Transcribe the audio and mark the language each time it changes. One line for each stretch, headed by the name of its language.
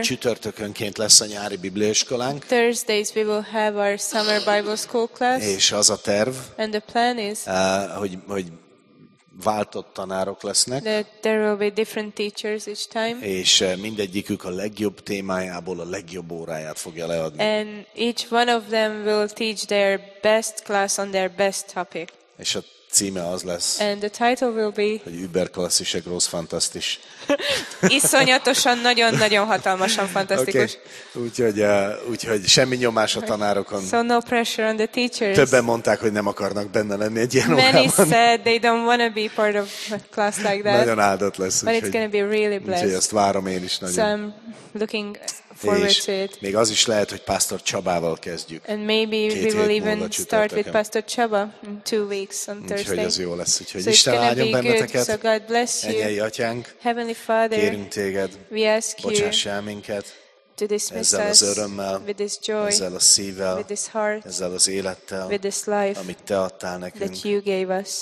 Hungarian: csütörtökönként lesz a nyári bibliaiskolánk.
English: Thursdays we will have our summer Bible school class.
Hungarian: És az a terv,
English: and the plan is,
Hungarian: hogy váltott tanárok lesznek.
English: That there will be different teachers each time.
Hungarian: És mindegyikük a legjobb témájából a legjobb óráját fogja leadni.
English: And each one of them will teach their best class on their best topic.
Hungarian: És a címe az lesz.
English: And the title will be.
Hungarian: Hogy überklasszis, gross, fantasztis. Iszonyatosan, nagyon-nagyon hatalmasan fantasztikus.
English: Okay.
Hungarian: Úgyhogy semmi nyomás a tanárokon.
English: So no pressure on the teachers.
Hungarian: Többen mondták, hogy nem akarnak benne lenni egy ilyen órában.
English: Many said they don't want to be part of a class like that.
Hungarian: Nagyon áldott lesz.
English: But úgyhogy, it's going to be really blessed.
Hungarian: Úgyhogy azt várom én is nagyon.
English: So I'm looking forward
Hungarian: és
English: to it.
Hungarian: Még az is lehet, hogy Pásztor Csabával kezdjük.
English: And maybe we will even start with Pastor Csaba in two weeks on Thursday.
Hungarian: Úgyhogy az jó lesz, úgyhogy Isten áldjon benneteket.
English: So God bless you.
Hungarian: Enyei atyánk,
English: Heavenly Father,
Hungarian: kérünk téged,
English: we ask you,
Hungarian: bocsáss el minket,
English: to dismiss
Hungarian: ezzel
English: us
Hungarian: örömmel,
English: with this joy,
Hungarian: ezzel a szívvel,
English: with this heart,
Hungarian: ezzel az élettel,
English: with this life,
Hungarian: amit te adtál nekünk,
English: that you gave us.